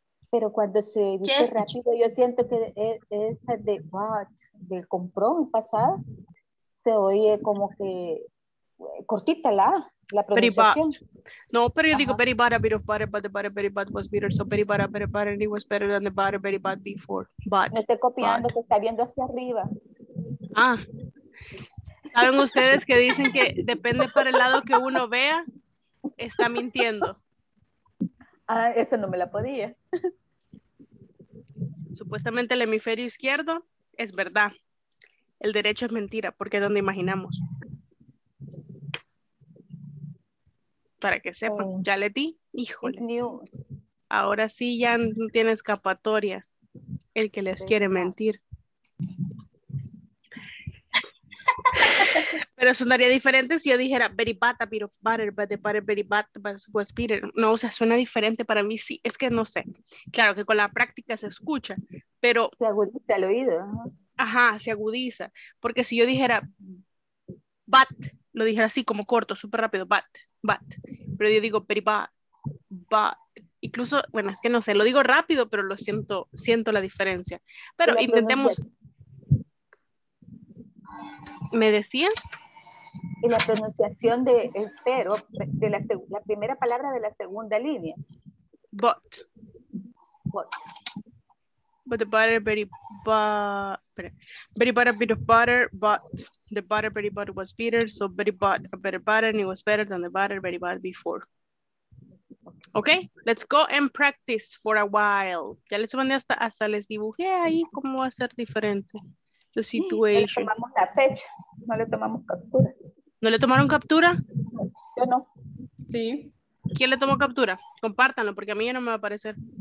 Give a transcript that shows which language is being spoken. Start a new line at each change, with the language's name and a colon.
Spanish: Pero cuando se dice yes. Rápido, yo siento que es de but, de compró en pasado, se oye como que cortita la pronunciación. No, pero yo digo
English: very bad, a bit of butter, but the butter very bad was bitter, so very bad, a bit of butter, and it was better than the butter very bad before. But,
Spanish: no estoy copiando, but. Que está viendo hacia arriba. Ah, ¿saben ustedes que dicen que depende para el lado que uno vea? Está mintiendo. Ah, eso no me la podía. Supuestamente el hemisferio izquierdo es verdad. El derecho es mentira, porque es donde imaginamos. Para que sepan, ya le di, híjole. Ahora sí ya no tiene escapatoria el que les quiere mentir. Pero sonaría diferente si yo dijera
English: very bad, a bit of butter, but the butter very bad was bitter.
Spanish: No, o sea, suena diferente para mí, sí, es que no sé. Claro que con la práctica se escucha, pero... Se agudiza el oído. Ajá, se agudiza. Porque si yo dijera but, lo dijera así como corto, súper rápido, but. But, pero yo digo very bad, but, incluso, bueno, es que no sé, lo digo rápido, pero lo siento, siento la diferencia. Pero intentemos. ¿Me decía? Y la pronunciación de espero, de la primera palabra de la segunda línea.
English: But. But. But the butter very bad, very bad a bit of butter, but the butter very bad was bitter, so very bad a better butter, and it was better than the butter very bad before. Ok. Okay, let's go and practice for a while.
Spanish: Ya les mandé hasta, hasta les dibujé ahí cómo va a ser diferente.
English: The situation.
Spanish: No le tomamos la fecha, no le tomamos captura. ¿No le tomaron captura? Yo no. Sí. ¿Quién le tomó captura? Compártanlo, porque a mí ya no me va a aparecer.